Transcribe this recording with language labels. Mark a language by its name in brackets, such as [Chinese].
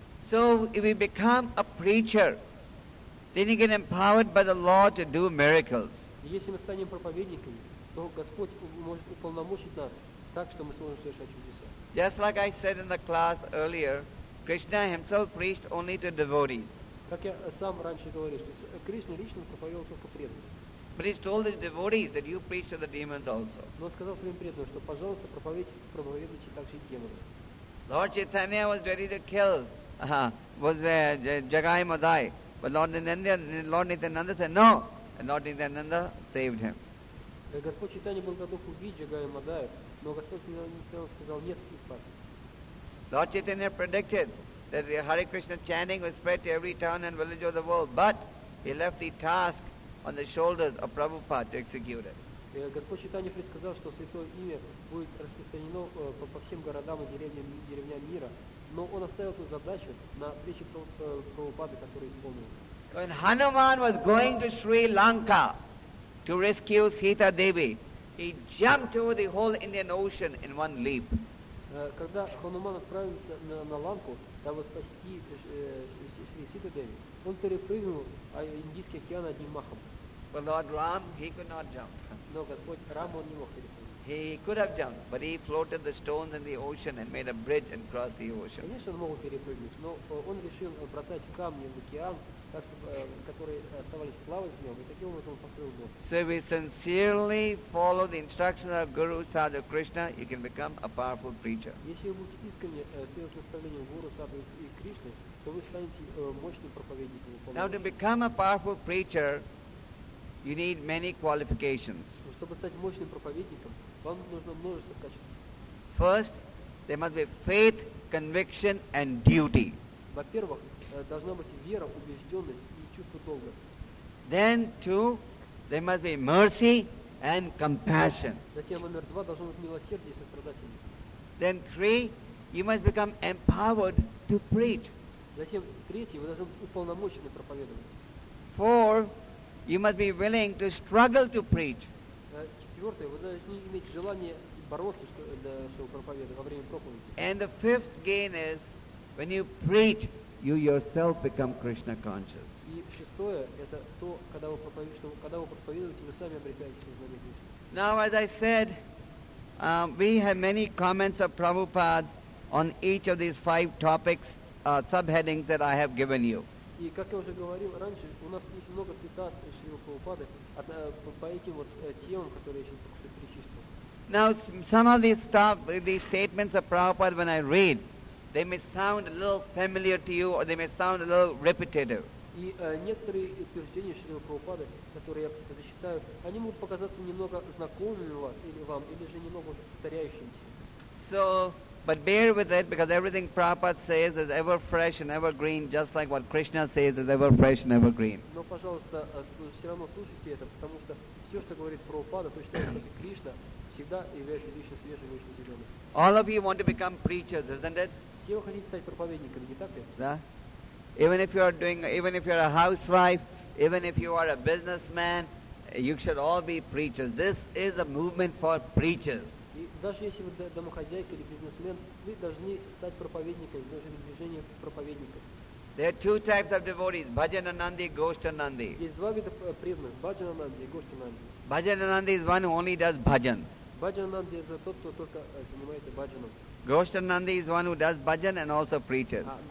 [English] So if we become a preacher, then you get empowered by the Lord to do miracles. [Russian] Если мы станем проповедниками, то Господь может уполномочить нас так, что мы сможем совершать чудеса. [English] Just like I said in the class earlier, Krishna himself preached only to devotees. [Russian] Как я сам раньше говорил, что Кришна лично проповедовал только преданным. [English] But he told his devotees that you preach to the demons also. [Russian] Но он сказал своим преданным, что, пожалуйста, проповедуйте также и демонам. [English] Lord Chaitanya was ready to kill, Jagai Madai. But Lord Nityananda said, no. And Lord Nityananda saved him. [Russian] Господь Чайтанья был готов убить Джагая Мадая, но Господь Нитянанда сказал нет и спас. [English] Lord Chaitanya predicted that the Hare Krishna chanting would spread to every town and village of the world, but he left the task on the shoulders of Prabhupada to execute it. [Russian] Господь Чайтанья предсказал, что Святое Имя будет распространено по всем городам и деревням мира, но он оставил эту задачу на плечи Прабхупады, который исполнил. [English] When Hanuman was going to Sri Lanka to rescue Sita Devi, he jumped over the whole Indian Ocean in one leap. [Russian] Когда Хануман отправился на Ланку, чтобы спасти Сита Деви, он перепрыгнул Индийский океан одним махом. [English] But Lord Ram, he could not jump. [Russian] Но Господь Рам, он не мог перепрыгнуть. [English] He could have jumped, but he floated the stones in the ocean and made a bridge and crossed the ocean. [Russian] Конечно, он мог перепрыгнуть, но он решил бросать камни в океан, которые оставались плавать в нем, и таким образом он построил мост. [English] So if you sincerely follow the instructions of Guru Sadhu Krishna, you can become a powerful preacher. [Russian] Если вы будете искренне следовать наставлениям Гуру Сады и Кришны, то вы станете мощным проповедником. [English] Now to become a powerful preacher, you need many qualifications. [Russian] Чтобы стать мощным проповедником, вам нужно множество качеств. [English] First, there must be faith, conviction, and duty. [Russian] Во-первых, должна быть вера, убежденность и чувство долга. [English] Then two, there must be mercy and compassion. [Russian] Затем номер два, должно быть милосердие и сострадательность. [English] Then three, you must become empowered to preach. [Russian] Затем третий, вы должны быть уполномочены проповедовать. [English] Four, you must be willing to struggle to preach. [Russian] Четвертое, вы должны иметь желание бороться, чтобы проповедовать во время проповеди. [English] And the fifth gain is when you preach, you yourself become Krishna conscious. [Russian] И шестое это то, когда вы проповедуете, вы сами обретаете сознание Кришны. [English] Now, as I said, we have many comments of Prabhupada on each of these five topics, subheadings that I have given you. [Russian] И как я уже говорил раньше, у нас есть много цитат Шри Прабхупады по этим вот темам, которые я сейчас только что перечислил. [English] Now, some of these statements of Prabhupada, when I read, they may sound a little familiar to you, or they may sound a little repetitive. [Russian] И некоторые утверждения Шри Прабхупады, которые я зачитаю, они могут показаться немного знакомыми вам, или же немного повторяющимися. [English] So, but bear with it, because everything Prabhupada says is ever fresh and ever green, just like what Krishna says is ever fresh and ever green. [Russian] Но, пожалуйста, все равно слушайте это, потому что все, что говорит Прабхупада, точно так же, как Кришна, всегда является вечно свежим и вечно зеленым. [English] All of you want to become preachers, isn't it? [Russian] Все вы хотите стать проповедниками, не так ли? Да. [English] Even if you're a housewife, even if you are a businessman, you should all be preachers. This is a movement for preachers. [Russian] И даже если вы домохозяйка или бизнесмен, вы должны стать проповедниками, должны быть движением проповедников. [English] There are two types of devotees: Bhajananandi, Goshtanandi. [Russian] Есть два вида преданных: Bhajananandi и Goshtanandi. [English] Bhajananandi is one who only does bhajan. [Russian] Bhajananandi это тот, кто только занимается бхаджаном. [English] Goshtanandi is one who does bhajan and also preaches.